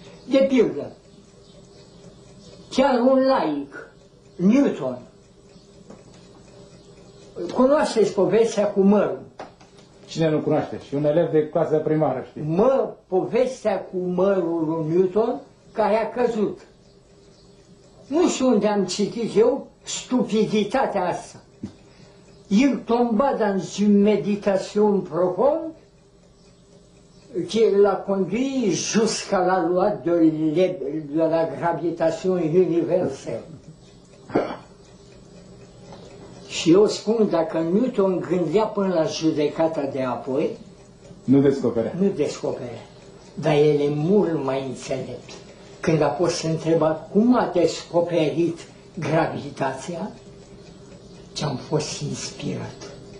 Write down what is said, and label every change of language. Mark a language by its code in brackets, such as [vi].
[ro] De pildă, chiar un laic, Newton, cunoașteți povestea cu mărul. Cine nu cunoaște? Și un elev de clasă primară, știi? Povestea cu mărul lui Newton, care a căzut. Nu știu unde am citit eu stupiditatea asta. [fr] El tomba dans une méditation profonde qui l'a conduit jusqu'à la loi de la gravitation universelle. [ro] Și eu spun, dacă Newton gândea până la judecata de apoi, nu descoperea. Nu descoperea. Dar el e mult mai înțelept. Când a fost întrebat cum a descoperit gravitația, ce am fost inspirat.